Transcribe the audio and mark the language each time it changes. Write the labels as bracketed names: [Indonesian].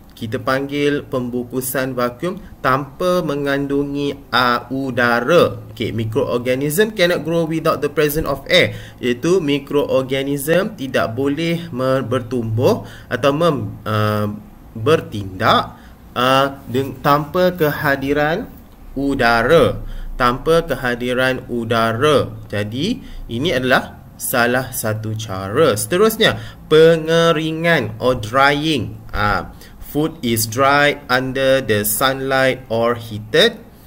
[Malay] kita panggil pembungkusan vakum tanpa mengandungi udara. [English] Okay, microorganism cannot grow without the presence of air. [Malay] Iaitu microorganism tidak boleh bertumbuh atau bertindak tanpa kehadiran udara. Tanpa kehadiran udara. Jadi, ini adalah salah satu cara. Seterusnya, pengeringan [English] or drying. Food is dry under the sunlight or heated.